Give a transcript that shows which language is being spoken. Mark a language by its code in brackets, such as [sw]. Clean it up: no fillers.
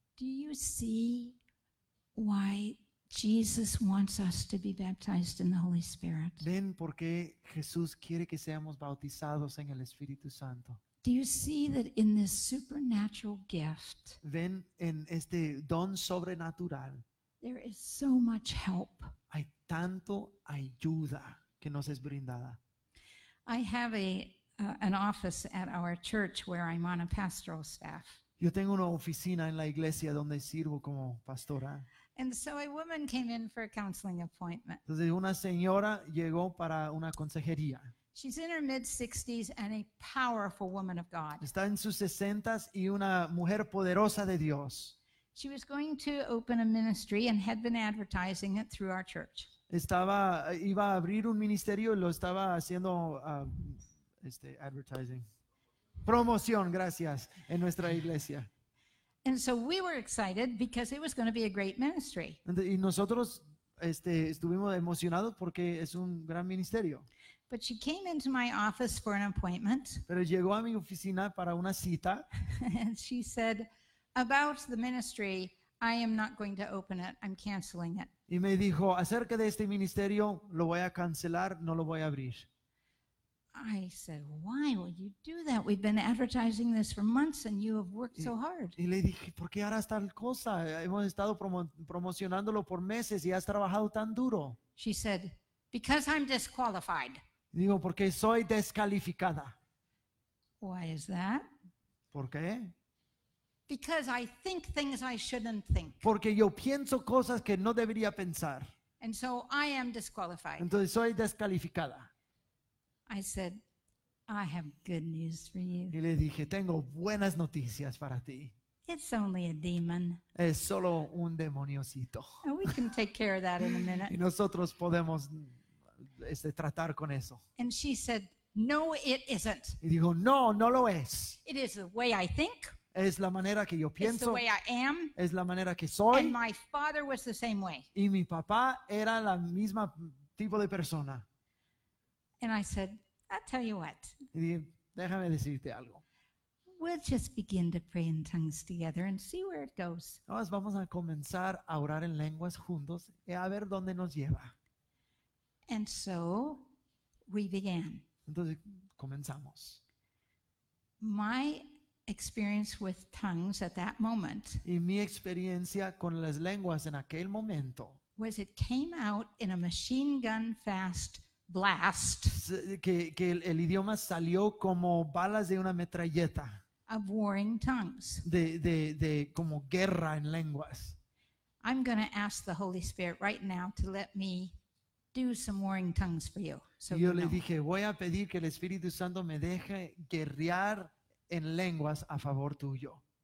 [en] Do you see why Jesus wants us to be baptized in the Holy Spirit? [es] ¿Ven por qué Jesús quiere que seamos bautizados en el Espíritu Santo? [en] Do you see that in this supernatural gift? [es] ¿Ven en este don sobrenatural? [en] There is so much help. [es] Hay tanto ayuda que nos es brindada. [en] I have an office at our church where I'm on a pastoral staff. [es] Yo tengo una oficina en la iglesia donde sirvo como pastora. [en] And so a woman came in for a counseling appointment. [es] Entonces una señora llegó para una consejería. [en] She's in her mid-60s and a powerful woman of God. [es] Está en sus 60s y una mujer poderosa de Dios. [en] She was going to open a ministry and had been advertising it through our church. [es] Iba a abrir un ministerio y lo estaba haciendo advertising. Promoción, gracias, en nuestra iglesia. [en] And so we were excited because it was going to be a great ministry. [es] Y nosotros estuvimos emocionados porque es un gran ministerio. [en] But she came into my office for an appointment. [es] Pero llegó a mi oficina para una cita. [en] And she said, about the ministry, I am not going to open it. I'm canceling it. [es] Y me dijo, acerca de este ministerio, lo voy a cancelar, no lo voy a abrir. [en] I said, why would you do that? We've been advertising this for months and you have worked so hard. [es] Y le dije, ¿por qué harás tal cosa? Hemos estado promocionándolo por meses y has trabajado tan duro. [en] She said, because I'm disqualified. [es] Digo, porque soy descalificada. [en] Why is that? [es] ¿Por qué? [en] Because I think things I shouldn't think. [es] Porque yo pienso cosas que no debería pensar. [en] And so I am disqualified. [es] Entonces soy descalificada. [en] I said, I have good news for you. [es] Y le dije, tengo buenas noticias para ti. [en] It's only a demon. [es] Es solo un demoniocito. [en] And we can take care of that in a minute. [es] Y nosotros podemos tratar con eso. [en] And she said, no, it isn't. [es] Y dijo, no, no lo es. [en] It is the way I think. [es] Es la manera que yo pienso. [en] It's the way I am. [es] Es la manera que soy. [en] And my father was the same way. [es] Y mi papá era la misma tipo de persona. [en] And I said, I'll tell you what. [es] Y dije, déjame decirte algo. [en] We'll just begin to pray in tongues together and see where it goes. [es] Nos vamos a comenzar a orar en lenguas juntos y a ver dónde nos lleva. [en] And so we began. [es] Entonces comenzamos. [en] My experience with tongues at that moment. [es] Y mi experiencia con las lenguas en aquel momento. [en] Was it came out in a machine gun fast blast. [es] Que el idioma salió como balas de una metralleta. [en] Of warring tongues. [es] De como guerra en lenguas. [en] I'm going to ask the Holy Spirit right now to let me do some warring tongues for you. So [es] yo le dije, voy a pedir que el Espíritu Santo me deje guerrear en lenguas a favor tuyo.